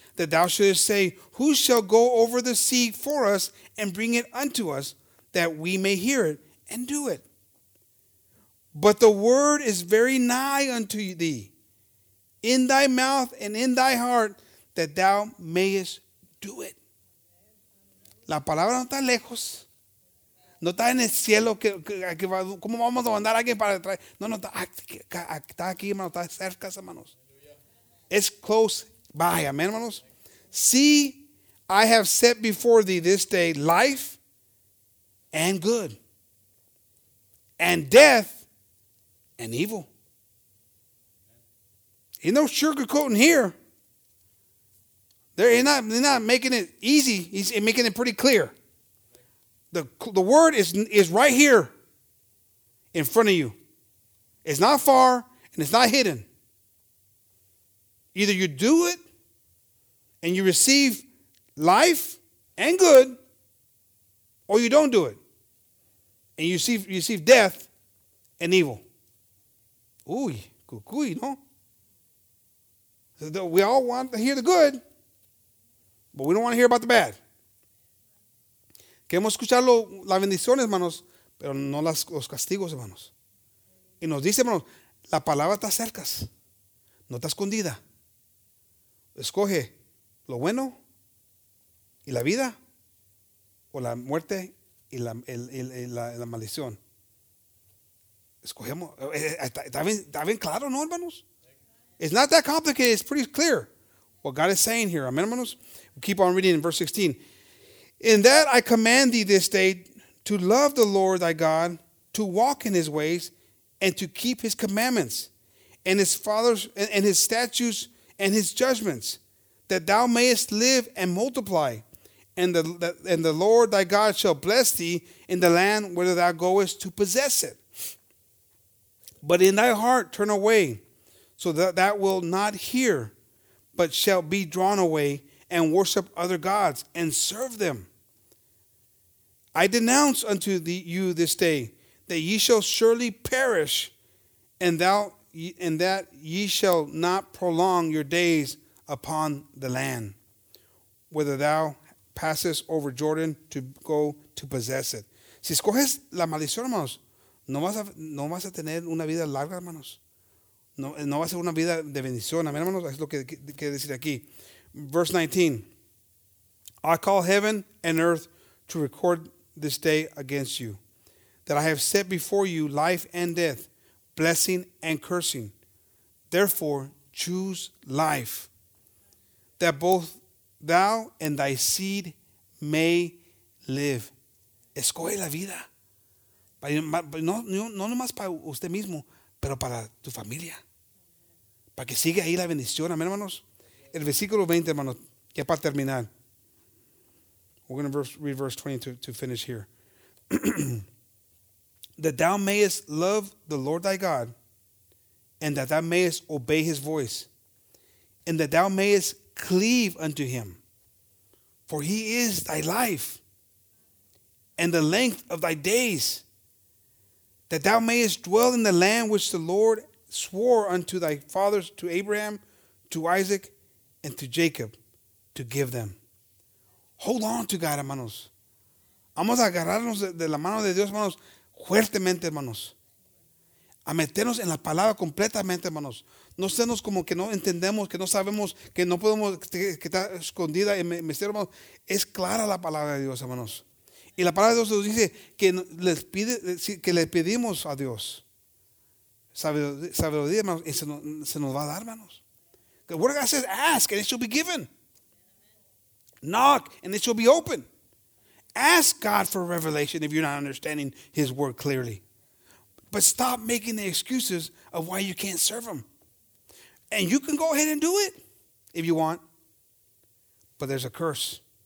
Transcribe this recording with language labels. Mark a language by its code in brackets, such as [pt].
[en] that thou shouldest say, who shall go over the sea for us and bring it unto us, that we may hear it and do it? But the word is very nigh unto thee, in thy mouth and in thy heart, that thou mayest do it. [es] La palabra no está lejos. No está en el cielo. ¿Cómo vamos a mandar a alguien para traer? No, no, está aquí, hermano. Está cerca, hermanos. [en] It's close by, amen, [es] hermanos. [en] See, I have set before thee this day life and good, and death and evil. Ain't no sugarcoating here. They're not making it easy. He's making it pretty clear. The word is right here in front of you. It's not far and it's not hidden. Either you do it and you receive life and good, or you don't do it and you receive death and evil. [es] Uy, cucuy, no? [en] We all want to hear the good, but we don't want to hear about the bad. [es] Queremos escuchar las bendiciones, hermanos, pero no los castigos, hermanos. Y nos dice, hermanos, la palabra está cerca, no está escondida. Escoge lo bueno y la vida, o la muerte y la maldición. Escogemos, está bien claro, ¿no, hermanos? [en] It's not that complicated, it's pretty clear what God is saying here. Amen, hermanos. We'll keep on reading in verse 16. In that I command thee this day to love the Lord thy God, to walk in his ways, and to keep his commandments, and his father's and his statutes and his judgments, that thou mayest live and multiply, and the Lord thy God shall bless thee in the land where thou goest to possess it. But in thy heart turn away, so that thou wilt not hear, but shalt be drawn away, and worship other gods, and serve them. I denounce unto you this day that ye shall surely perish, and that ye shall not prolong your days upon the land, whether thou passest over Jordan to go to possess it. [es] Si escoges la maldición, hermanos, no vas a tener una vida larga, hermanos. No va a ser una vida de bendición. Amén, hermanos. Es lo que quiere decir aquí. [en] Verse 19. [es] I call heaven and earth to record this day against you, that I have set before you life and death, blessing and cursing. Therefore, choose life, that both thou and thy seed may live. Escoge la vida. No nomás para usted mismo, pero para tu familia. Para que siga ahí la bendición. Amén, hermanos. El versículo 20, hermanos, ya para terminar. [en] We're going to read verse 20 to finish here. That thou mayest love the Lord thy God, and that thou mayest obey his voice, and that thou mayest cleave unto him. For he is thy life and the length of thy days, that thou mayest dwell in the land which the Lord swore unto thy fathers, to Abraham, to Isaac, and to Jacob, to give them. Hold on to God, hermanos. [es] Vamos a agarrarnos de la mano de Dios, hermanos, fuertemente, hermanos. A meternos en la palabra completamente, hermanos. No seamos como que no entendemos, que no sabemos, que no podemos, que está escondida en mi misterio, hermanos. Es clara la palabra de Dios, hermanos. Y la palabra de Dios nos dice que le pedimos a Dios sabiduría, hermanos, y se nos va a dar, hermanos. [en] The word of God says, ask and it shall be given. Knock and it shall be open. Ask God for revelation if you're not understanding his word clearly. But stop making the excuses of why you can't serve him. And you can go ahead and do it if you want. But there's a curse.